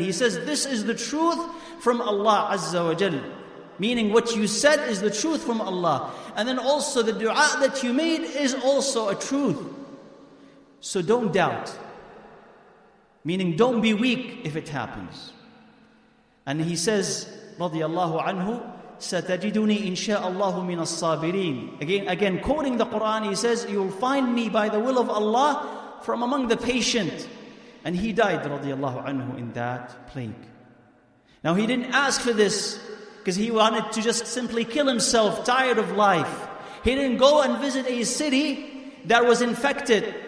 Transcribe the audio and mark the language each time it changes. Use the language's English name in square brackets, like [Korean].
[English] He says, this is the truth from Allah Azza wa Jal. Meaning what you said is the truth from Allah. And then also the dua that you made is also a truth. So don't doubt. Meaning don't be weak if it happens. And he says, radiyallahu anhu, [Arabic] ستجدني إن شاء الله من الصابرين. [English] Again, quoting the Quran, he says, you'll find me by the will of Allah from among the patient. And he died, radiyallahu anhu, in that plague. Now he didn't ask for this because he wanted to just simply kill himself, tired of life. He didn't go and visit a city that was infected.